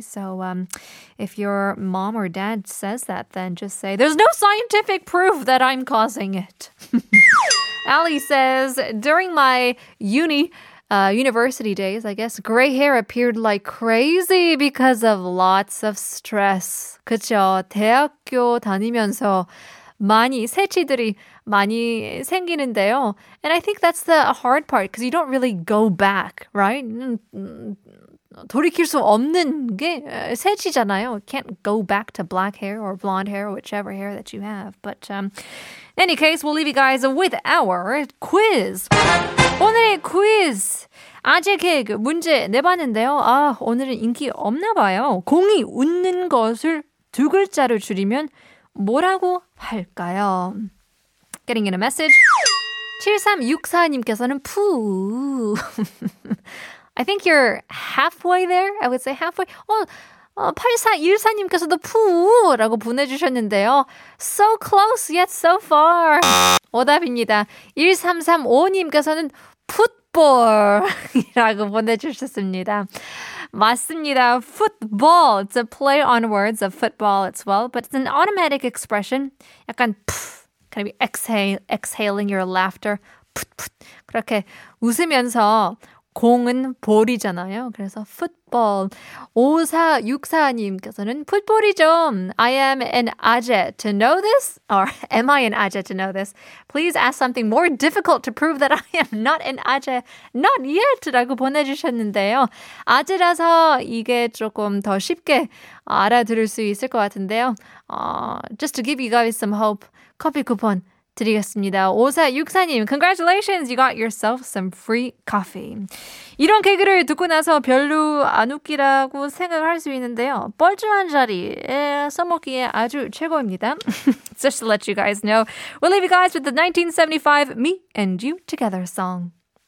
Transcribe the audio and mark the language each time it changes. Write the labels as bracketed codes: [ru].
[en] So if your mom or dad says that, then just say, there's no scientific proof that I'm causing it. Ali says, during my uni university days, I guess, gray hair appeared like crazy because of lots of stress. [ko] 그쵸? 대학교 다니면서 많이 새치들이 많이 생기는데요. [en] And I think that's the hard part because you don't really go back, right? [ko] 돌이킬 수 없는 게 새치잖아요. [en] Can't go back to black hair or blonde hair or whichever hair that you have. But in any case, we'll leave you guys with our quiz. [ko] 오늘의 quiz. 아재 개그 문제 내봤는데요. 아, 오늘은 인기 없나 봐요. 공이 웃는 것을 두 글자로 줄이면 뭐라고 할까요? [en] Getting in a message. [ko] 7364님께서는 푸. [en] I think you're halfway there. I would say halfway. [ko] 8414님께서도 푸라고 보내주셨는데요. [en] So close yet so far. [ko] 오답입니다. 1335님께서는 풋볼이라고 보내주셨습니다. 맞습니다. Football. [en] It's a play on words of football as well, but it's an automatic expression. [ko] 약간 푸, [en] kind of exhaling your laughter. [ko] 풋풋. 그렇게 웃으면서 공은 볼이잖아요. 그래서 풋볼. 5464님께서는 풋볼이죠. [en] I am an 아재 to know this? Or am I an 아재 to know this? Please ask something more difficult to prove that I am not an 아재. Not yet! [ko] 라고 보내주셨는데요. 아재라서 이게 조금 더 쉽게 알아들을 수 있을 것 같은데요. [en] Just to give you guys some hope, [ko] 커피 쿠폰 드리겠습니다. [en] 5464님, congratulations! You got yourself some free coffee. [ko] 이런 개그를 듣고 나서 별로 안 웃기라고 생각할 수 있는데요. 뻘쭘한 자리에 써먹기에 아주 최고입니다. [en] Just to let you guys know, we'll leave you guys with the 1975 Me and You Together song.